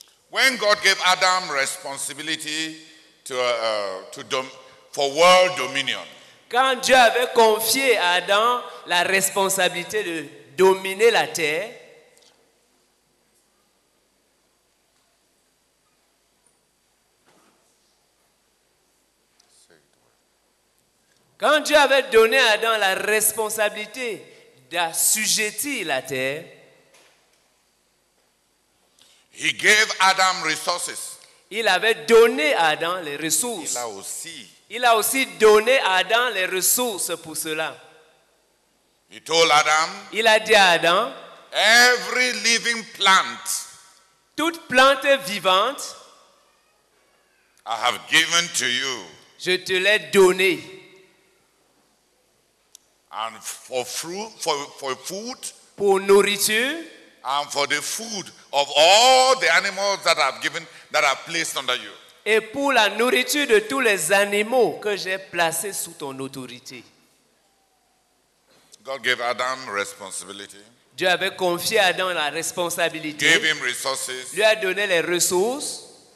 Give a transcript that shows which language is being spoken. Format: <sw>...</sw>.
<en>When God gave Adam responsibility for world dominion.</en> <fr>Quand Dieu avait confié à Adam la responsabilité de dominer la terre. Quand Dieu avait donné à Adam la responsabilité d'assujettir la terre.</fr> <en>He gave Adam resources.</en> <fr>Il avait donné à Adam les ressources. Il a aussi donné à Adam les ressources pour cela.</fr> <en>He told Adam,</en> <fr>il a dit à Adam,</fr> <en>every living plant,</en> <fr>toute plante vivante,</fr> <en>I have given to you,</en> <fr>je te l'ai donné.</fr> <en>And for fruit, for food,</en> <fr>pour nourriture,</fr> <en>and for the food of all the animals that I've given, that I've placed under you.</en> <fr>Et pour la nourriture de tous les animaux que j'ai placés sous ton autorité.</fr> <en>God gave Adam responsibility.</en> <fr>Dieu avait confié à Adam la responsabilité.</fr> <en>Gave him resources.</en> <fr>Lui a donné les ressources.</fr>